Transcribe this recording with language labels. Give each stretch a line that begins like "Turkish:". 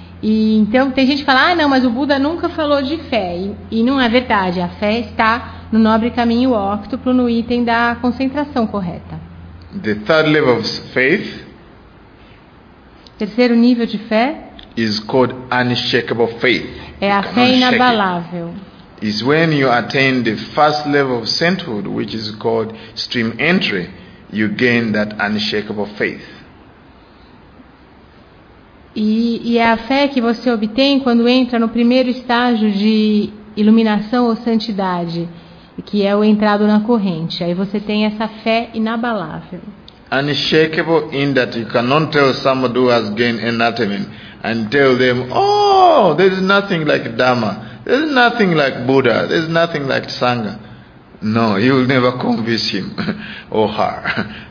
Portuguese: E então tem gente que fala, ah não, mas o Buda nunca falou de fé, e não é verdade. A fé está no nobre caminho óctuplo, no item da concentração correta.
English: The third level of faith,
Portuguese: terceiro nível de fé,
English: is called unshakable faith.
Portuguese: É a fé inabalável.
English: Is when you attain the first level of sainthood, which is called stream entry, you gain that unshakable faith.
Portuguese: E é a fé que você obtém quando entra no primeiro estágio de iluminação ou santidade, que é o entrado na corrente. Aí você tem essa fé inabalável.
English: Unshakable in that you cannot tell somebody who has gained enlightenment and tell them, there's nothing like Dhamma, there's nothing like Buddha, there's nothing like Sangha. No, you will never convince him or her.